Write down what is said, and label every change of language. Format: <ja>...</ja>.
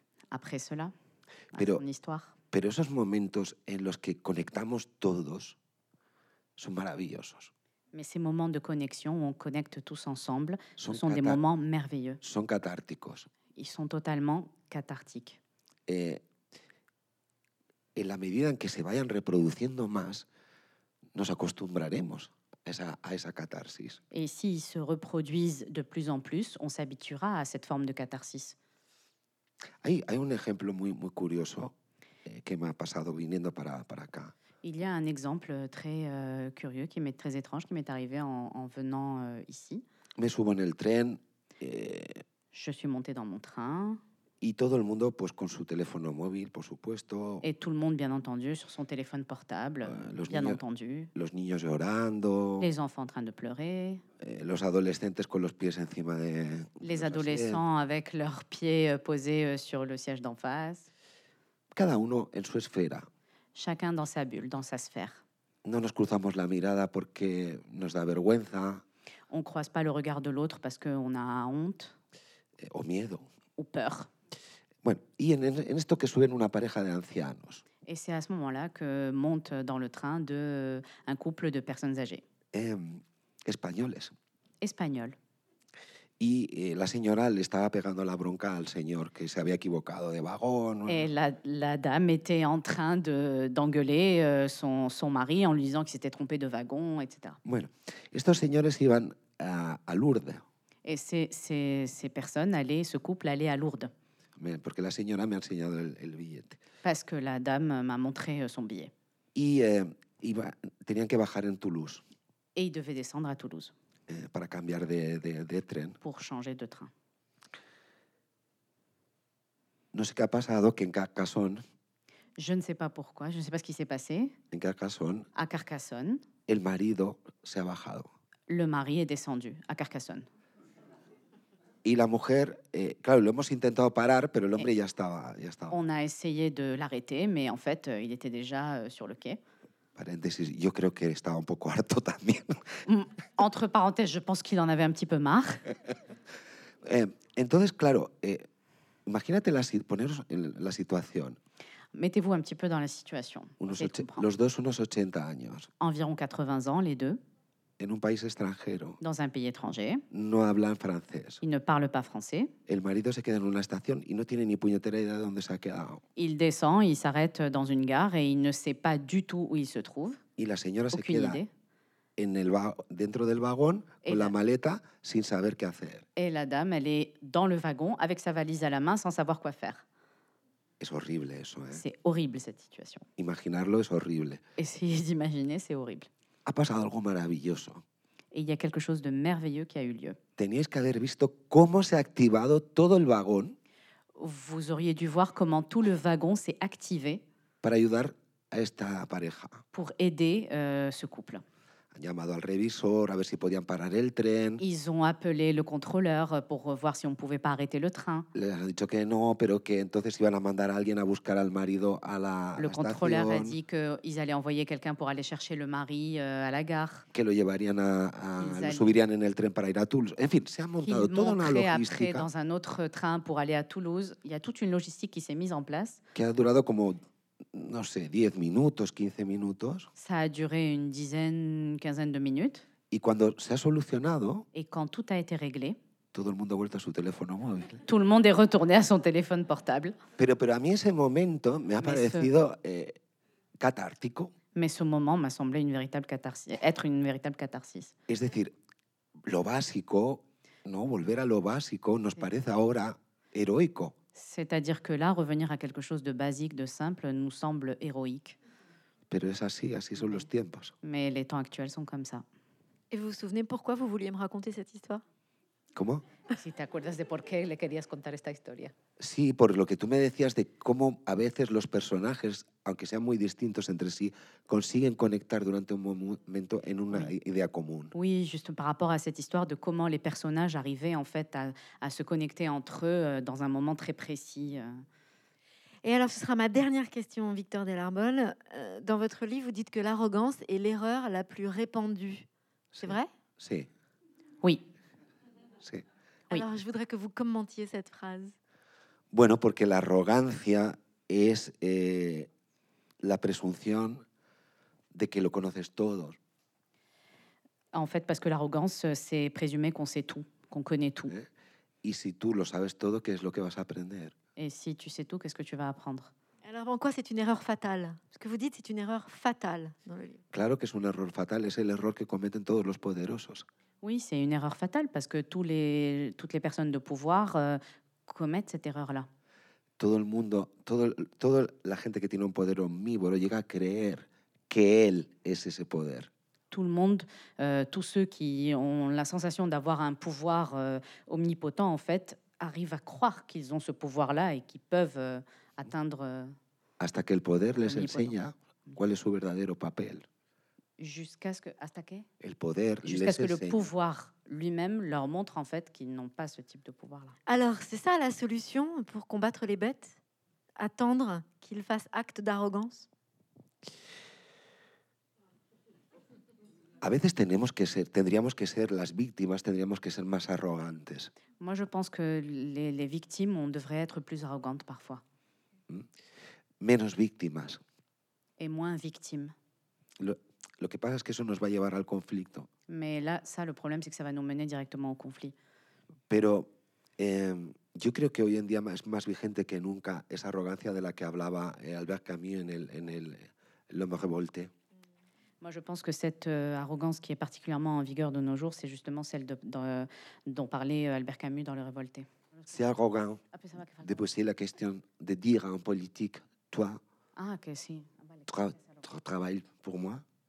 <fr>Après cela,</fr> <es>pero,</es> <fr>à son histoire.</fr> <es>Pero esos momentos en los que conectamos todos son maravillosos.</es> <fr>Mais ces moments de connexion où on connecte tous ensemble sont des moments merveilleux.</fr> <es>Son catárticos.</es> <fr>Ils sont totalement cathartiques.</fr> <es>En la medida en que se vayan reproduciendo más, nos acostumbraremos a esa catarsis.</es> <fr>Et s'ils se reproduisent de plus en plus, on s'habituera à cette forme de catharsis.</fr> <es>Hay un ejemplo muy, muy curioso que me ha pasado viniendo para acá.</es> <fr>Il y a un exemple très curieux, qui m'est très étrange, qui m'est arrivé en venant ici.</fr> <es>Me subo en el tren.</es> <fr>Je suis montée dans mon train.</fr> <es>Y todo el mundo, pues, con su teléfono móvil, por supuesto.</es> <fr>Et tout le monde, bien entendu, sur son téléphone portable,</fr> <es>Los niños llorando.</es> <fr>Les enfants en train de pleurer.</fr> <es>Los adolescentes con los pies encima de...</es> <fr>Les adolescents avec leurs pieds posés sur le siège d'en face.</fr> <es>Cada uno en su esfera.</es> <fr>Chacun dans sa bulle, dans sa sphère.</fr> <es>No nos cruzamos la mirada porque nos da vergüenza.</es> <fr>On croise pas le regard de l'autre parce qu'on a honte.</fr> <es>O miedo.</es> <fr>Ou peur.</fr> <es>Bueno, y en esto que suben una pareja de ancianos.</es> <fr>Et c'est à ce moment-là que monte dans le train un couple de personnes âgées.</fr> <es>Españoles. Español. Y la señora le estaba pegando la bronca al señor que se había equivocado de vagón.</es> <fr>Et la dame était en train d'engueuler son mari en lui disant qu'il s'était trompé de wagon, etc.</fr> <es>Bueno, estos señores iban a Lourdes.</es> <fr>Et ces personnes allaient, ce couple allait à Lourdes.</fr> <es>Porque la señora me ha enseñado el billete.</es> <fr>Parce que la dame m'a montré son billet.</fr> <es>Y tenían que bajar en Toulouse.</es> <fr>Et ils devaient descendre à Toulouse.</fr> <es>Para cambiar de tren.</es> <fr>Pour changer de train.</fr> <es>No sé qué ha pasado que en Carcassonne.</es> <fr>Je ne sais pas pourquoi, je ne sais pas ce qui s'est passé.</fr> <es>En Carcassonne.</es> <fr>À Carcassonne.</fr> <es>El marido se ha bajado.</es> <fr>Le mari est descendu à Carcassonne.</fr> <es>Y la mujer, claro, lo hemos intentado parar, pero el hombre ya estaba.</es> <fr>On a essayé de l'arrêter, mais en fait, il était déjà sur le quai.</fr> <es>Paréntesis, yo creo que estaba un poco harto también.</es> <fr>Entre paréntesis, je pense qu'il en avait un petit peu marre.</fr> <es>Entonces, claro, imagínate poneros en la situación.</es> <fr>Mettez-vous un petit peu dans la situation.</fr> <es>Los dos unos 80 años.</es> <fr>Environ 80 ans, les deux.</fr> <es>En un país extranjero.</es> <fr>Dans un pays étranger.</fr> <es>No hablan francés.</es> <fr>Ils ne parlent pas français.</fr> <es>El marido se queda en una estación y no tiene ni puñetera idea de dónde se ha quedado.</es> <fr>Il descend, il s'arrête dans une gare et il ne sait pas du tout où il se trouve.</fr> <es>Y la señora se queda.</es> <fr>Aucune idée.</fr> <es>en el dentro del wagon, con la maleta, sin saber qué hacer.</es> <fr>Et la dame, elle est dans le wagon, avec sa valise à la main, sans savoir quoi faire.</fr> <es>Es horrible eso, ¿eh?</es> <fr>C'est horrible, cette situation.</fr> <es>Imaginarlo es horrible.</es> <fr>Essayer d'imaginer, c'est horrible.</fr> <es>Ha pasado algo maravilloso.</es> <fr>Et il y a quelque chose de merveilleux qui a eu lieu.</fr> <es>Teníais que haber visto cómo se ha activado todo el wagon.</es> <fr>Vous auriez dû voir comment tout le wagon s'est activé.</fr> <es>Para ayudar a esta pareja.</es> <fr>Pour aider ce couple.</fr> <es>Han llamado al revisor a ver si podían parar el tren.</es> <fr>Ils ont appelé le contrôleur pour voir si on pouvait pas arrêter le train.</fr> <es>Le han dicho que no, pero que entonces iban a mandar a alguien a buscar al marido a la estación.</es> <fr>Le contrôleur a dit qu'ils allaient envoyer quelqu'un pour aller chercher le mari à la gare.</fr> <es>Que lo llevarían lo subirían en el tren para ir a Toulouse. En fin, se ha montado toda una logística.</es> <fr>Ils montraient après dans un autre train pour aller à Toulouse. Il y a toute une logistique qui s'est mise en place.</fr> <es>Que ha durado como no sé, 10 minutos, 15 minutos.</es> <fr>Ça a duré une dizaine, quinzaine de minutes.</fr> <es>Y cuando se ha solucionado,</es> <fr>et quand tout a été réglé,</fr> <es>todo el mundo ha vuelto a su teléfono móvil.</es> <fr>Tout le monde est retourné à son téléphone portable.</fr> <es>Pero a mí ese momento me ha parecido catártico.</es> <fr>Mais ce moment m'a semblé une véritable catharsis, être une véritable catharsis.</fr> <es>Es decir, lo básico, ¿no? Volver a lo básico nos parece ahora heroico.</es> <fr>C'est-à-dire que là, revenir à quelque chose de basique, de simple, nous semble héroïque.</fr> <es>Pero es así, así son los tiempos.</es> <fr>Mais les temps actuels sont comme ça. Et vous vous souvenez pourquoi vous vouliez me raconter cette histoire?</fr> <es>¿Cómo? Si te acuerdas de por qué le querías contar esta historia. Sí, por lo que tú me decías de cómo a veces los personajes, aunque sean muy distintos entre sí, consiguen conectar durante un momento en una idea común.</es> <fr>Oui, justement par rapport à cette histoire de comment les personnages arrivaient en fait à se connecter entre eux dans un moment très précis. Et alors, ce sera ma dernière question, Victor Delarbol. Dans votre livre, vous dites que l'arrogance est l'erreur la plus répandue. C'est vrai?</fr> <es>Sí.</es> <fr>Oui.</fr> <es>Sí.</es> <fr>Alors, je voudrais que vous commentiez cette phrase.</fr> <es>Bueno, porque la arrogancia es la presunción de que lo conoces todo.</es> <fr>En fait, parce que l'arrogance, c'est présumer qu'on sait tout, qu'on connaît tout.</fr> <es>Y si tú lo sabes todo, ¿qué es lo que vas a aprender?</es> <fr>Et si tu sais tout, qu'est-ce que tu vas apprendre? Alors, en quoi c'est une erreur fatale? Ce que vous dites, c'est une erreur fatale dans le livre.</fr> <es>Claro que es un error fatal, es el error que cometen todos los poderosos.</es> <fr>Oui, c'est une erreur fatale parce que toutes les personnes de pouvoir commettent cette erreur-là.</fr> <es>Todo el mundo, toda la gente que tiene un poder omnívoro llega a creer que él es ese poder.</es> <fr>Tout le monde, tous ceux qui ont la sensation d'avoir un pouvoir omnipotent, en fait, arrivent à croire qu'ils ont ce pouvoir-là et qu'ils peuvent atteindre.</fr> <es>Hasta que el poder les enseña cuál es su verdadero papel.</es> <fr>Jusqu'à ce que le pouvoir lui-même leur montre en fait qu'ils n'ont pas ce type de pouvoir-là. Alors, c'est ça la solution pour combattre les bêtes? Attendre qu'ils fassent acte d'arrogance?</fr> <es>A veces tendríamos que ser las víctimas, tendríamos que ser más arrogantes.</es> <fr>Moi, je pense que les victimes, on devrait être plus arrogantes parfois.</fr> <es>Menos víctimas.</es> <fr>Et moins victimes.</fr> <es>Lo que pasa es que eso nos va a llevar al conflicto.</es> <fr>Mais là, ça, le problème, c'est que ça va nous mener directement au conflit.</fr> <es>Pero yo creo que hoy en día es más vigente que nunca esa arrogancia de la que hablaba Albert Camus en el L'Homme Révolté.</es> <fr>Moi, je pense que cette arrogance qui est particulièrement en vigueur de nos jours, c'est justement celle dont parlait Albert Camus dans Le Révolté. C'est arrogant de poser la question de dire à un politique, toi, tu travailles pour moi.</fr>